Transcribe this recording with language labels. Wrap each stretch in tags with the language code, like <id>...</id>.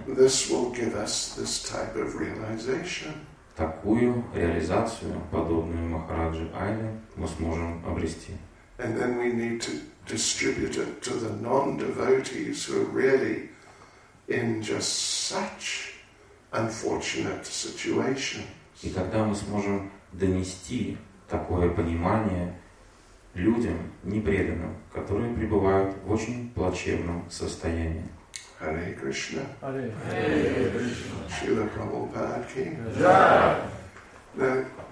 <en>this will give us this type of realization.</en> <ru>Такую реализацию, подобную Махараджи Айле, мы сможем обрести.</ru> <en>And then we need to distribute it to the non-devotees who are really in just such unfortunate situation.</en> <ru>И тогда мы сможем донести такое понимание людям непреданным, которые пребывают в очень плачевном состоянии. Hare Krishna. Hare Krishna. Srila Prabhupada ki. Jai.</ru>